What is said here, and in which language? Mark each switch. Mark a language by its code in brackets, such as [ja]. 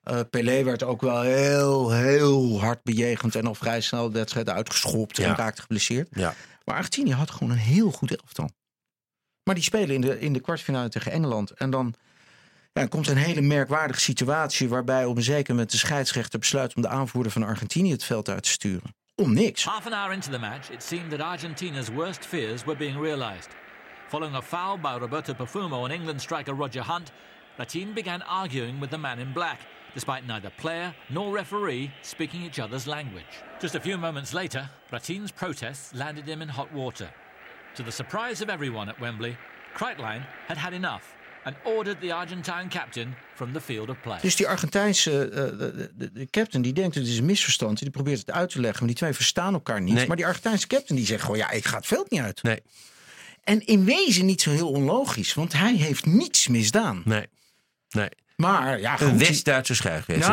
[nl] Pelé werd ook wel heel, heel hard bejegend en al vrij snel de wedstrijd uitgeschopt en raakte geblesseerd. Ja. Maar Argentinië had gewoon een heel goed elftal. Maar die spelen in de kwartfinale tegen Engeland. En dan komt een hele merkwaardige situatie waarbij op een zeker moment de scheidsrechter besluit om de aanvoerder van Argentinië het veld uit te sturen. Om niks. [en] Half an hour into the match, it seemed that Argentina's worst fears were being realized. Following a foul by Roberto Perfumo and England striker Roger Hunt, Latin began arguing with the man in black, despite neither player nor referee speaking each other's language. Just a few moments later, Latin's protests landed him in hot water. To the surprise of everyone at Wembley, Kreitlein had had enough and ordered the Argentine captain from the field of play. [nl] Dus die Argentijnse de captain die denkt dat het is een misverstand. Die probeert het uit te leggen, maar die twee verstaan elkaar niet. Nee. Maar die Argentijnse captain die zegt gewoon, ik ga het veld niet uit. Nee. En in wezen niet zo heel onlogisch, want hij heeft niets misdaan. Nee, nee. Maar een West-Duitse scheidsrechter.